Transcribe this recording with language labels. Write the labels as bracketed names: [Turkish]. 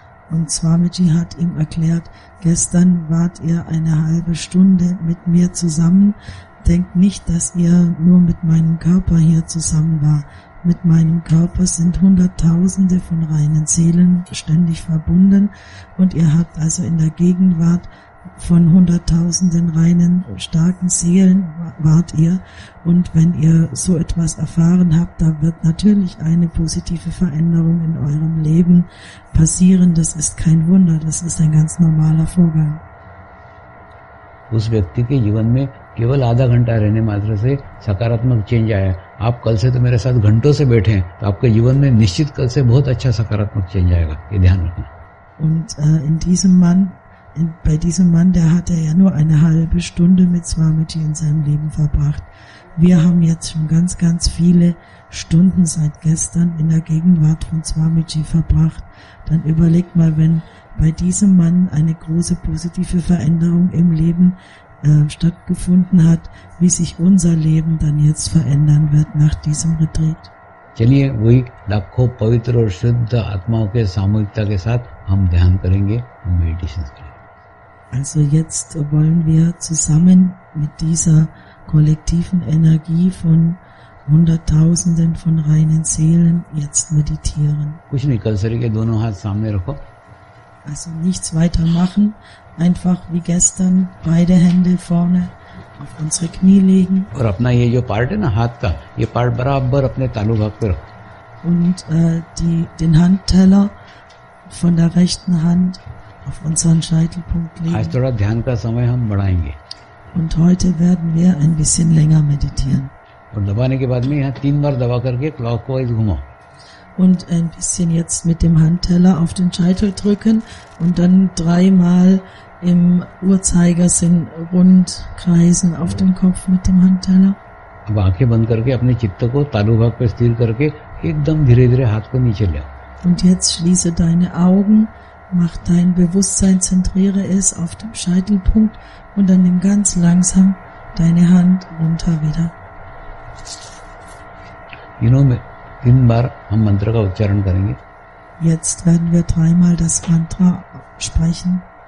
[German] Und Swamiji hat ihm erklärt, gestern wart ihr eine halbe Stunde mit mir zusammen. Denkt nicht, dass ihr nur mit meinem Körper hier zusammen war. Mit meinem Körper sind Hunderttausende von reinen Seelen ständig verbunden. Und ihr habt also in der Gegenwart von Hunderttausenden reinen, starken Seelen wart ihr. Und wenn ihr so etwas erfahren habt, da wird natürlich eine positive Veränderung in eurem Leben passieren. Das ist kein Wunder, das ist ein ganz normaler Vorgang. [Hindi] उस व्यक्ति के जीवन में केवल आधा घंटा रहने मात्र से सकारात्मक चेंज आया। आप कल से तो मेरे साथ घंटों से बैठे हैं, तो आपके जीवन में निश्चित कल से बहुत अच्छा सकारात्मक चेंज आएगा, ये ध्यान रखना। [German] Und in diesem Mann, bei diesem Mann, der hat ja nur eine halbe Stunde mit Swamiji in seinem Leben verbracht. Wir haben jetzt schon ganz, ganz viele Stunden seit gestern in der Gegenwart von Swamiji verbracht. Dann überleg mal, wenn bei diesem Mann eine große positive Veränderung im Leben stattgefunden hat, wie sich unser Leben dann jetzt verändern wird nach diesem Retreat. [Hindi] चलिए वही लाखों पवित्र और शुद्ध आत्माओं के सामूहिकता के साथ हम ध्यान करेंगे, हम मेडिटेशन करेंगे। [German] Also jetzt wollen wir zusammen mit dieser kollektiven Energie von Hunderttausenden von reinen Seelen jetzt meditieren. [Hindi] कुछ नहीं, कलसरी के दोनों हाथ सामने रखो। [German] Also nichts weiter machen, einfach wie gestern beide Hände vorne auf unsere Knie legen. [Hindi] और अपना ये जो पार्ट है ना हाथ का, ये पार्ट बराबर अपने तालू भाग पे रखो। [German] Und den Handteller von der rechten Hand auf unseren Scheitelpunkt legen. [Hindi] आज थोड़ा ध्यान का समय हम बढ़ाएंगे। [German] Und heute werden wir ein bisschen länger meditieren. [Hindi] और दबाने के बाद में यहाँ तीन बार दबा करके clockwise घुमाओ। [German] Und ein bisschen jetzt mit dem Handteller auf den Scheitel drücken und dann dreimal im Uhrzeigersinn rund kreisen auf dem Kopf mit dem Handteller. [Hindi] अब आंखें बंद करके अपने चित्त को तालु भाग पे स्थिर करके एकदम धीरे धीरे हाथ को नीचे ले। [German] Und jetzt schließe deine Augen, mach dein Bewusstsein, zentriere es auf dem Scheitelpunkt und dann nimm ganz langsam deine Hand runter wieder. [English] You know me. [Hindi] तीन बार हम मंत्र का उच्चारण करेंगे। [German] Jetzt werden wir dreimal das Mantra sprechen.